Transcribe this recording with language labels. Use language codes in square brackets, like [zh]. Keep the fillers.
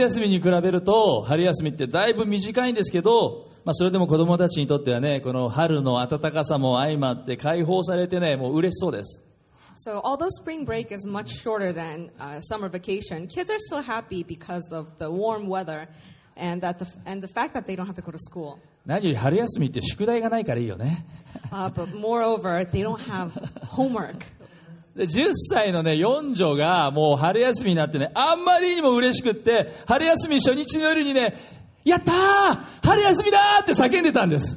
[ja] 休みに比べると春休みってだいぶ短いんですけど、まあ、それでも子供たちにとってはねこの春の暖かさも相まって解放されてねもう嬉しそうです。 [en] So, although spring break is much shorter than uh, summer vacation, kids are still happy because of the warm weather and, that the, and the fact that they don't have to go to school. [ja] 何より春休みって宿題がないからいいよね。 [en] Uh, over, [ja] で10歳のね、四女がもう春休みになってね、あんまりにも嬉しくて、春休み初日の夜にね、やった春休みだって叫んでたんです。